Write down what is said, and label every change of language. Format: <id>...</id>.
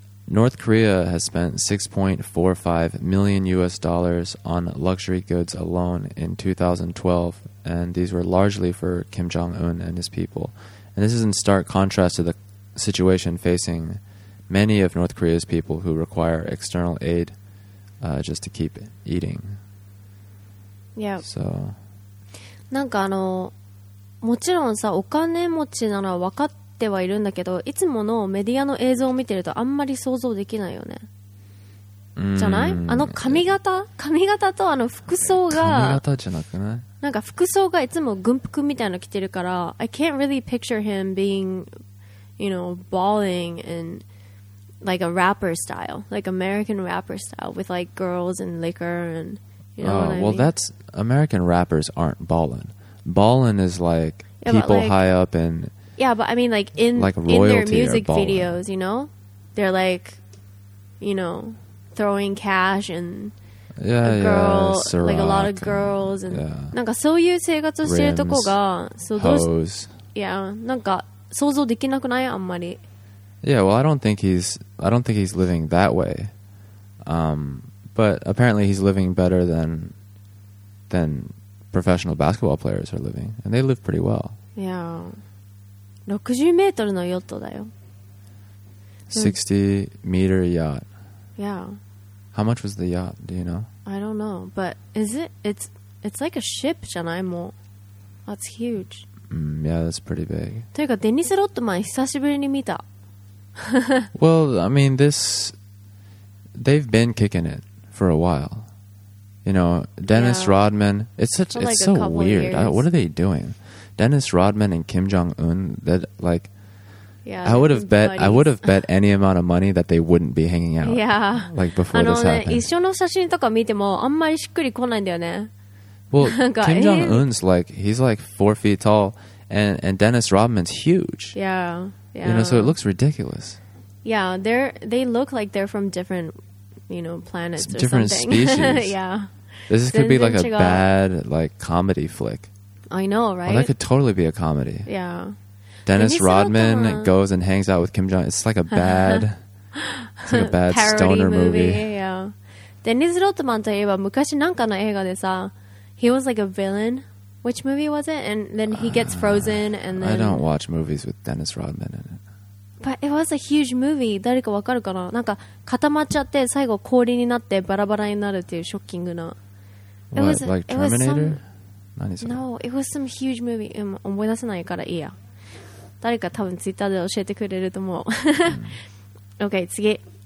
<en>North Korea has spent $6.45 million US dollars on luxury goods alone in 2012, and these were largely for Kim Jong-un and his people. And this is in stark contrast to the situation facing many of North Korea's people who require external aid just to keep eating. Yeah. So.</en> <ja>なんかあのもちろんさ、お金持ちなのは分かってはいるんだけど、いつものメディアの映像を見てるとあんまり想像できないよね。じゃない？あの髪型とあの服装が、髪型じゃなくない？なんか服装がいつも軍服みたいなの着てるから、</ja> <en>I can't really picture him being, you know, balling and like a rapper style, like American rapper style with like girls and liquor and, you know, well, I mean? That's American rappers aren't balling. Balling is like, yeah, people like, high up and yeah, but I mean like in, like in their music videos, you know, they're like, you know, throwing cash and yeah, a girl, yeah, Ciroc, like a lot of girls and yeah.</en> <ja>なんかそういう生活をしてるとこが、そう、</ja> <en>hoes.</en> <ja>Yeah, なんか想像できなくない？あんまり。</ja> <en>Yeah, well, I don't think he's living that way. But apparently he's living better than professional basketball players are living, and they live pretty well.</en> <ja>Yeah. 60 meters のヨットだよ。</ja> <en>60 meter yacht. Yeah. How much was the yacht? Do you know? I don't know, but is it? It's like a ship, じゃない？もう。That's huge. Yeah, that's pretty big.</en> <ja>というかデニス・ロッドマン久しぶりに見た。</ja> <en>Well, I mean, this, they've been kicking it for a while. You know, Dennis yeah. Rodman, it's such, for it's like so weird. What are they doing? Dennis Rodman and Kim Jong-un, that like, yeah, I would have bet any amount of money that they wouldn't be hanging out. Yeah. Like before this happened.</en> <ja>一緒の写真とか見てもあんまりしっくり来ないんだよね。</ja> <en>Well, Kim Jong-un's like, he's like 4 feet tall, and Dennis Rodman's huge. Yeah, yeah. You know, so it looks ridiculous. Yeah, they look like they're from different, you know, planets or different something. Different species. Yeah. This could be like a bad, like, comedy flick. I know, right? Well, that could totally be a comedy. Yeah. Dennis Rodman goes and hangs out with Kim Jong-un. It's like a bad, like a bad stoner movie. Yeah. Dennis Rodman</en> <ja>といえば昔なんかの映画でさ、</ja> <en>he was like a villain. Which movie was it? And then he gets frozen and then... I don't watch movies with Dennis Rodman in it. But it was a huge movie.</en> <ja>誰かわかるかな？なんか固まっちゃって最後氷になってバラバラになるっていうショッキングな。</ja> <en>What? Was, like Terminator? No, it was some huge movie.</en> <ja>思い出せないからいいや。誰か多分 Twitter で教えてくれると思う。OK, 次。</ja>